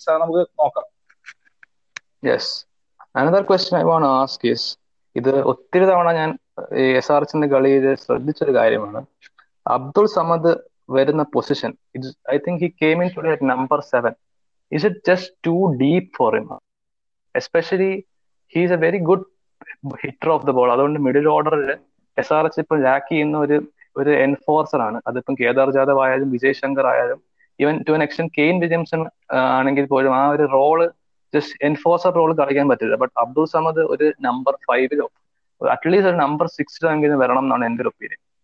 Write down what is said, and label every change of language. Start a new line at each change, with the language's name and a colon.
Malayalam: Sir നമുക്ക് നോക്കാം.
English: yes, another question I want ask is,
Malayalam: ഇത് ഒത്തിരി തവണ ഞാൻ എസ് ആർ എസിന്റെ കളിയിൽ ശ്രദ്ധിച്ചൊരു കാര്യമാണ്, അബ്ദുൾ സമദ് വരുന്ന position,
English: I think he came in today at number 7. Is it just too deep for him? Especially, he is a very good hitter of the ball.
Malayalam: അതുകൊണ്ട് middle ഓർഡറിൽ എസ് ആർ എസ് ഇപ്പം ലാക്ക് ചെയ്യുന്ന ഒരു ഒരു എൻഫോഴ്സർ ആണ്. അതിപ്പം കേദാർ ജാദവ് ആയാലും വിജയ് ശങ്കർ ആയാലും
English: even to an extent
Malayalam: Kane Williamson ആണെങ്കിൽ പോലും ആ ഒരു റോള് ജസ്റ്റ് എൻഫോഴ്സർ റോൾ കളിക്കാൻ പറ്റില്ല. ബട്ട് അബ്ദുൾ സമദ് ഒരു നമ്പർ 5-ലോ അറ്റ്ലീസ്റ്റ് ഒരു നമ്പർ 6-ലോ എങ്കിലും വരണം എന്നാണ് എന്റെ ഒരു ഒപ്പീനിയൻ.